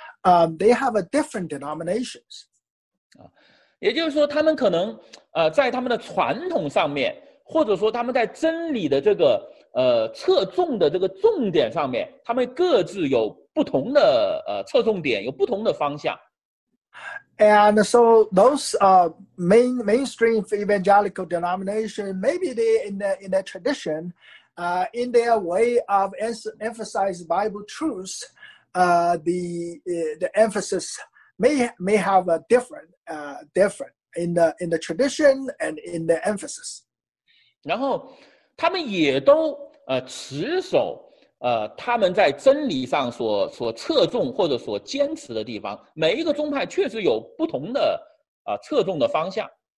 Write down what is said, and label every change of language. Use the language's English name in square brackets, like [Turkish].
[English] They have a different denominations. [Chinese] 也就是说他们可能在他们的传统上面，或者说他们在真理的这个侧重的这个重点上面，他们各自有不同的侧重点，有不同的方向。 [English] And so those mainstream evangelical denomination, maybe they in their tradition, in their way of emphasize Bible truth, the emphasis may have a different in the tradition and in the emphasis. [Chinese] 然后他们也都持守他们在真理上所侧重或者所坚持的地方，每一个宗派确实有不同的侧重的方向。